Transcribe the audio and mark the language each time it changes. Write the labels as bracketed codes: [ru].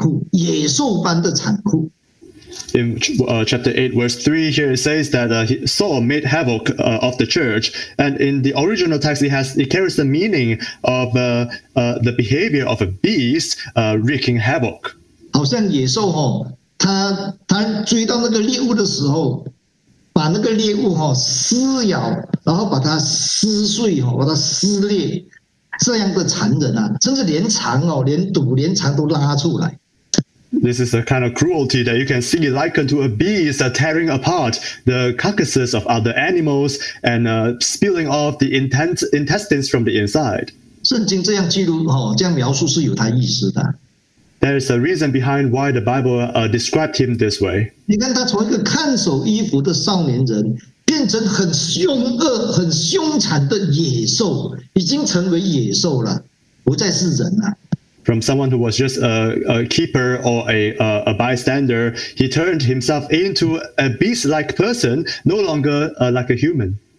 [zh] 惨害教会，看8:3，扫罗惨害教会，这个惨害的原文是兽性的残酷，野兽般的残酷。 [en] In chapter 8, verse 3, here it says that Saul made havoc of the church, and in the original text, it carries the meaning of the behavior of a beast wreaking havoc. [zh] 好像野兽，他追到那个猎物的时候。把那个猎物撕咬，然后把它撕碎，把它撕裂，这样的残忍啊，甚至连肠都拉出来。 [en] This is the kind of cruelty that you can see likened to a beast tearing apart the carcasses of other animals and spilling off the intestines from the inside. [zh] 圣经这样记录，这样描述是有它意思的。 [en] There is a reason behind why the Bible described him this way. [zh] 你看他从一个看守衣服的少年人变成很凶恶、很凶残的野兽，已经成为野兽了，不再是人了。 [en] From someone who was just a keeper or a bystander, he turned himself into a beast-like person, no longer like a human.